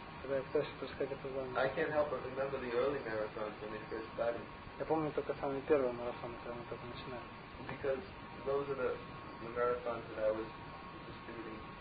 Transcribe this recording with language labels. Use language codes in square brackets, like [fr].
[en] I can't help but remember the early marathons when we first started. [ru] Я помню только самый первый марафон, когда мы только начинали. [en] Because those are the marathons that I was just doing.